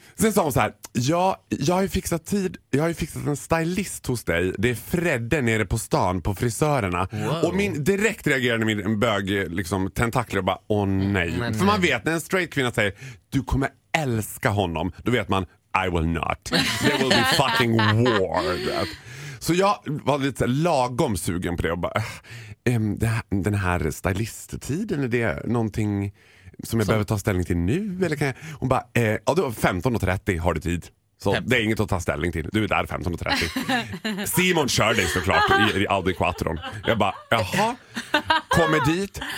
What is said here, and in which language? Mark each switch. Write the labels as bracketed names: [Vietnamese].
[Swedish] Sen sa hon så här. Ja, jag har ju fixat tid. Jag har ju fixat en stylist hos dig. Det är Fredde nere på stan på frisörerna. Wow. Och min direkt reagerade min bög liksom tentakler och bara åh nej. Men, för man vet när en straight kvinna säger du kommer älska honom, då vet man [English] I will not. They will be fucking war. [Swedish] Så jag var lite lagom sugen på det och bara den här stylisttiden, är det någonting som jag så behöver ta ställning till nu eller kan jag? Hon bara ja, du har 15:30 har du tid. Så det är inget att ta ställning till. Du är där 15:30. Simon kör dig såklart i Audi Quattro. Jag bara, jaha. Kommer dit.